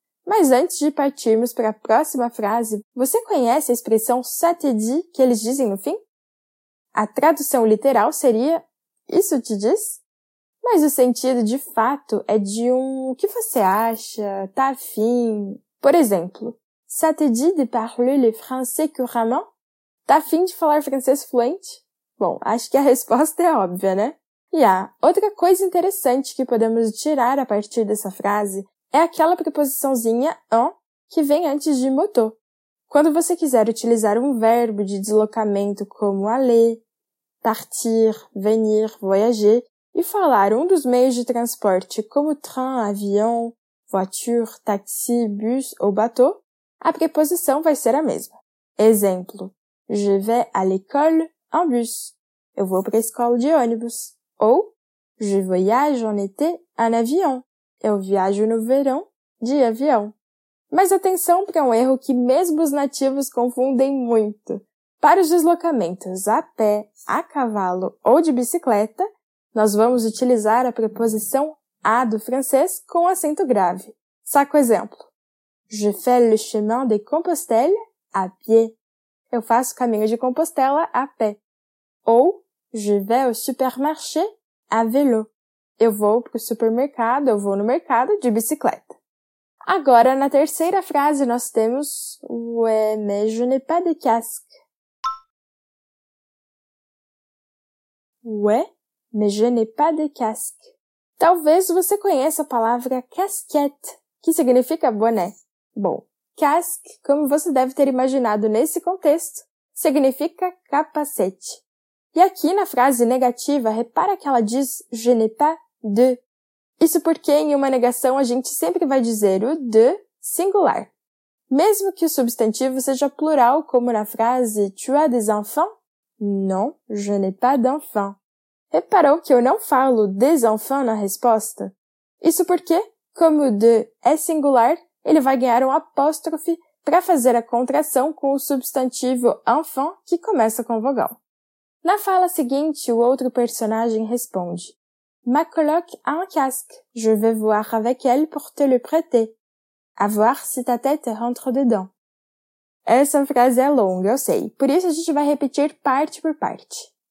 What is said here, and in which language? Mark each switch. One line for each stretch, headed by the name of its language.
Portuguese: Mas antes de partirmos para a próxima frase, você conhece a expressão
French: ça te dit
Portuguese: que eles dizem no fim? A tradução literal seria isso te diz? Mas o sentido de fato é de um o que você acha, tá afim. Por exemplo,
French: ça te dit de parler le français couramment?
Portuguese: Tá afim de falar francês fluente? Bom, acho que a resposta é óbvia, né? E há outra coisa interessante que podemos tirar a partir dessa frase é aquela preposiçãozinha en que vem antes de moto. Quando você quiser utilizar um verbo de deslocamento como aller, partir, venir, voyager, E falar um dos meios de transporte, como trem, avião, voiture, taxi, bus ou bateau, a preposição vai ser a mesma.
French: Exemplo, je vais à l'école en bus.
Portuguese: Eu vou para a escola de ônibus.
French: Ou, je voyage en été en avion.
Portuguese: Eu viajo no verão de avião. Mas atenção para um erro que mesmo os nativos confundem muito. Para os deslocamentos a pé, a cavalo ou de bicicleta, nós vamos utilizar a preposição à do francês com acento grave. Saca o exemplo.
French: Je fais le chemin de Compostelle à pied.
Portuguese: Eu faço o caminho de Compostela a pé.
French: Ou, je vais au supermarché à vélo.
Portuguese: Eu vou para o supermercado, eu vou no mercado de bicicleta. Agora, na terceira frase, nós temos
French: Ouais, mais je n'ai pas de casque. Ouais, mais je n'ai pas de casque.
Portuguese: Talvez você conheça a palavra casquette, que significa boné. Bom, casque, como você deve ter imaginado nesse contexto, significa capacete. E aqui na frase negativa, repara que ela diz
French: je n'ai pas de.
Portuguese: Isso porque em uma negação a gente sempre vai dizer o de singular. Mesmo que o substantivo seja plural, como na frase
French: tu as des enfants? Non, je n'ai pas d'enfants.
Portuguese: Reparou que eu não falo
French: des enfants
Portuguese: na resposta? Isso porque, como o de é singular, ele vai ganhar um apóstrofe para fazer a contração com o substantivo enfant que começa com vogal. Na fala seguinte, o outro personagem responde:
French: Ma coloc a un casque. Je vais voir avec elle pour te le prêter. A voir si ta tête rentre dedans.
Portuguese: Essa frase é longa, eu sei. Por isso, a gente vai repetir parte por parte.